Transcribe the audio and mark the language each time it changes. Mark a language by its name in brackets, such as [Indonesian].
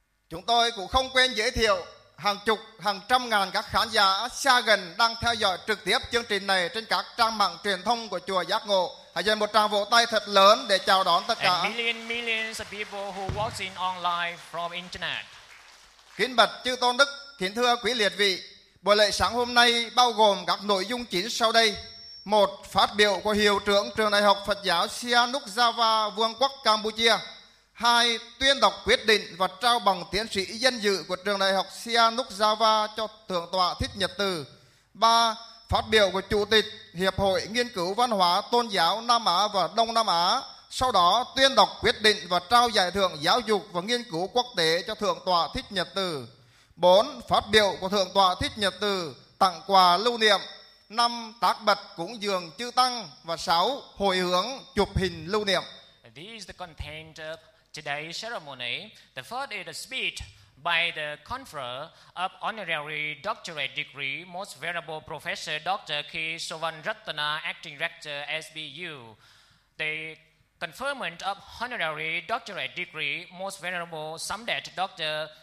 [Vietnamese] Chúng tôi cũng không quên giới thiệu hàng chục, hàng trăm ngàn các khán giả xa gần đang theo dõi trực tiếp chương trình này trên các trang mạng truyền thông của chùa Giác Ngộ. Hãy dành một tràng vỗ tay thật lớn để chào đón tất cả. [English] Millions of people who watching online from internet. [Vietnamese] Kính bạch chư tôn đức, kính thưa quý liệt vị, buổi lễ sáng hôm nay bao gồm các nội dung chính sau đây: một, phát biểu của hiệu trưởng trường đại học Phật giáo Sihanouk Java, Vương quốc Campuchia; hai, tuyên đọc quyết định và trao bằng tiến sĩ danh dự của trường đại học Sihanouk Java cho thượng tọa Thích Nhật Từ; ba, phát biểu của Chủ tịch Hiệp hội Nghiên cứu Văn hóa Tôn giáo Nam Á và Đông Nam Á, sau đó tuyên đọc quyết định và trao giải thưởng giáo dục và nghiên cứu quốc tế cho Thượng tọa Thích Nhật Từ; 4. Phát biểu của Thượng tọa Thích Nhật Từ tặng quà lưu niệm; 5. Tác bạch cúng dường chư tăng; và 6. Hồi hướng chụp hình lưu niệm. [English] This is the content of today's ceremony. The first is a speech by the conferrer of honorary doctorate degree, most venerable professor Dr. K. Sovanratana, acting rector SBU. The conferment of honorary doctorate degree, most venerable Samdet Dr.